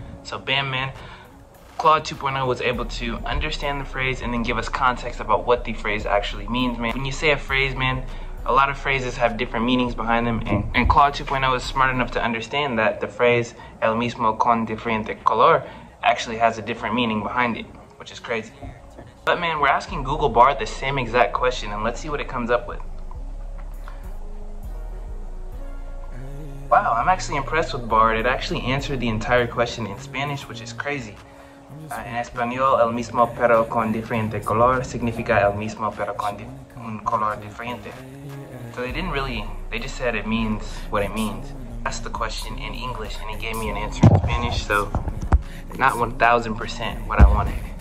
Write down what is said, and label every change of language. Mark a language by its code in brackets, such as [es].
[en] So bam, man, Claude 2.0 was able to understand the phrase and then give us context about what the phrase actually means, man. When you say a phrase, man, a lot of phrases have different meanings behind them, and Claude 2.0 is smart enough to understand that the phrase [es] el mismo con diferente color [en] actually has a different meaning behind it, which is crazy. But man, we're asking Google Bard the same exact question, and let's see what it comes up with. Wow, I'm actually impressed with Bard. It actually answered the entire question in Spanish, which is crazy. In Espanol, [es] el mismo pero con diferente color significa el mismo pero con un color diferente. [en] So they didn't really, they just said it means what it means. Asked the question in English and it gave me an answer in Spanish, so not 1000% what I wanted.